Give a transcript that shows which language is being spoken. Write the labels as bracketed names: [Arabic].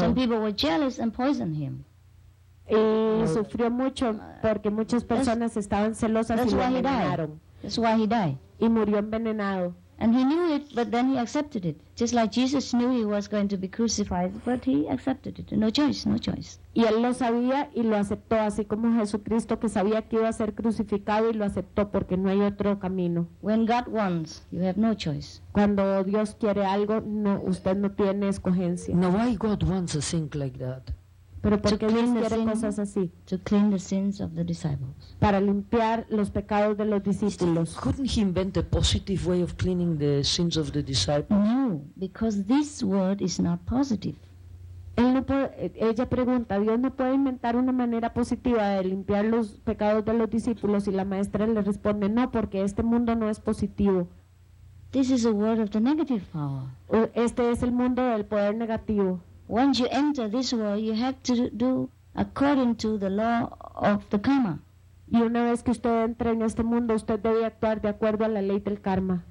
[English] Some people were jealous and poisoned him. [Spanish] Y sufrió mucho porque muchas personas estaban celosas y lo envenenaron. [English] That's why he died. [Spanish] Y murió envenenado. [English] And he knew it, but then he accepted it. Just like Jesus knew he was going to be crucified, but he accepted it. No choice. [Spanish] Y él lo sabía y lo aceptó, así como Jesucristo, que sabía que iba a ser crucificado y lo aceptó porque no hay otro camino. [English] When God wants, you have no choice. [Spanish] Cuando Dios quiere algo, no, usted no tiene escogencia. [English] Now why God wants a thing like that? [Spanish] Pero ¿por qué Dios quiere cosas así? [English] To clean the sins of the disciples. [Spanish] Para limpiar los pecados de los discípulos. [English] Couldn't he invent a positive way of cleaning the sins of the disciples? No, because this word is not positive. [Spanish] Ella pregunta, ¿Dios no puede inventar una manera positiva de limpiar los pecados de los discípulos? Y la maestra le responde, no, porque este mundo no es positivo. [English] This is a world of the negative power. [Spanish] Este es el mundo del poder negativo. [English] Once you enter this world, you have to do according to the law of the karma. [Spanish] Y una vez que usted entra en este mundo, usted debe actuar de acuerdo a la ley del karma.